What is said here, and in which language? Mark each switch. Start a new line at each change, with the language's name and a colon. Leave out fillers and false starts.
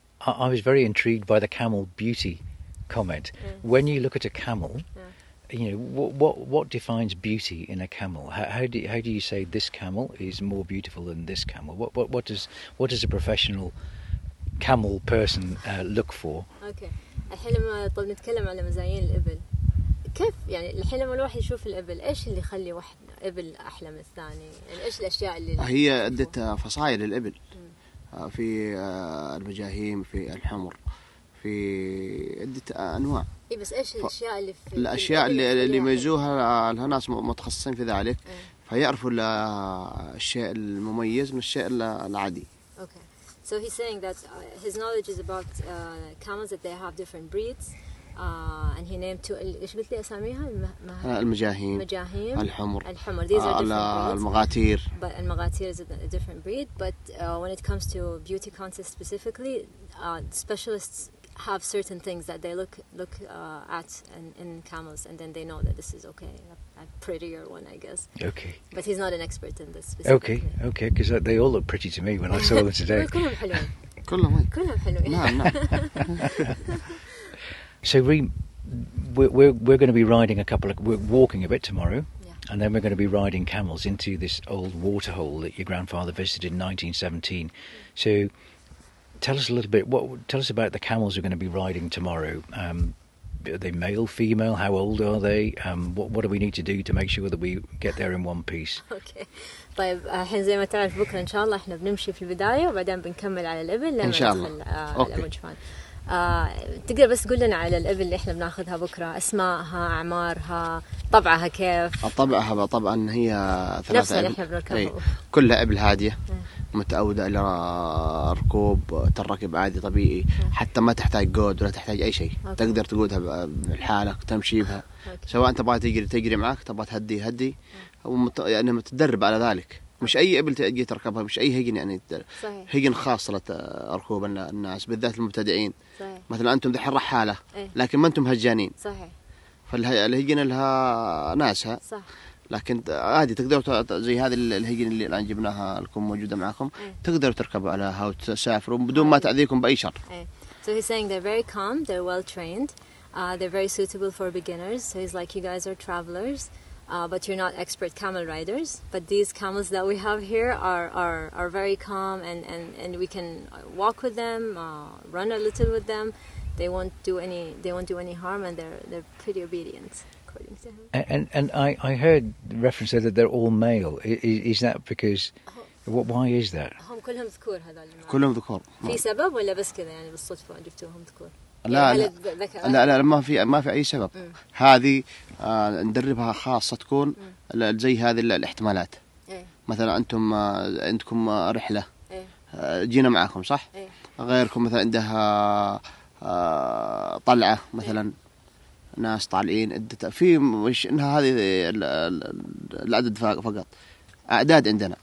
English: I was very intrigued by the camel beauty comment. Yes. When you look at a camel, yeah. you know, what defines beauty in a camel? How do you say this camel is more beautiful than this camel? What does a professional camel person look for? Okay.
Arabic: الحين لما طب نتكلم على مزايين الإبل. كيف يعني الحين لما الواحد يشوف الإبل إيش اللي يخلي واحد إبل أحلى من الثاني؟ يعني إيش الأشياء اللي هي عدة فصائل الإبل. في المجاهيم، في الحمر، في عدة أنواع. إيه بس إيش الأشياء اللي في الأشياء اللي يميزوها الناس متخصصين في ذلك، فيعرفوا الشيء المميز من الشيء العادي.
English: Okay, so he's saying that his knowledge is about camels that they have different breeds, and he named two.
Arabic: إيش قلت لي أساميها؟ المجاهيم. المجاهيم. الحمر.
English: الحمر. These are different breeds.
Arabic: المغاتير.
English: But المغاتير is a different breed. But when it comes to beauty contests specifically, specialists have certain things that they look at in camels, and then they know that this is okay, a prettier one, I guess. Okay. But he's not an expert in this. Okay, because they all look pretty to me when I saw them today.
Arabic: كلهم حلوين. كلهم حلوين. نعم نعم.
English: So we're going to be riding walking a bit tomorrow, yeah. And then we're going to be riding camels into this old waterhole that your grandfather visited in 1917. Mm-hmm. So tell us a little bit. Tell us about the camels we're going to be riding tomorrow. Are they male, female? How old are they? What do we need to do to make sure that we get there in one piece? Okay.
Arabic: طيب الحين زي ما تعرف بكرة إن شاء الله إحنا بنمشي في البداية وبعدين بنكمل على الإبل لما ندخل على المجفان. تقدر بس تقول لنا على الإبل اللي إحنا بناخذها بكرة أسماءها أعمارها طبعها كيف؟ طبعها طبعا هي ثلاثة نفس اللي إحنا بنركبه كلها إبل هادية متعودة إلى ركوب تركب عادي طبيعي حتى ما تحتاج قود ولا تحتاج أي شيء تقدر تقودها بحالك تمشي بها سواء أنت تبغى تجري معك تبغى تهدي يعني متدرب على ذلك مش أي إبل تجي تركبها مش أي هجن يعني صحيح. هجن خاص لركوب الناس بالذات المبتدئين صحيح. مثلا أنتم ذي حرة حالة ايه؟ لكن ما أنتم هجانين صحيح فالهجن لها ناسها لكن عادي تقدروا زي هذه الهجن اللي الآن جبناها لكم موجودة معكم ايه؟ تقدروا تركبوا عليها وتسافروا بدون ما تعذيكم بأي شر ايه.
English: So he's saying they're very calm, they're well trained, they're very suitable for beginners. So he's like, you guys are travelers, but you're not expert camel riders. But these camels that we have here are very calm, and we can walk with them, run a little with them. They won't do any harm, and they're pretty obedient, according to him. And I heard reference there that they're all male. Is that because? Why is that?
Arabic: هم كلهم ذكور هذا اللي. كلهم ذكور. في سبب ولا بس كذا يعني بالصدفة جبتوهم ذكور. لا لا لا ما في أي سبب هذه ندربها خاصة تكون زي هذه الاحتمالات مثلا أنتم عندكم رحلة جينا معكم صح غيركم مثلا عندها طلعة مثلا ناس طالعين في مش إنها هذه العدد فقط أعداد عندنا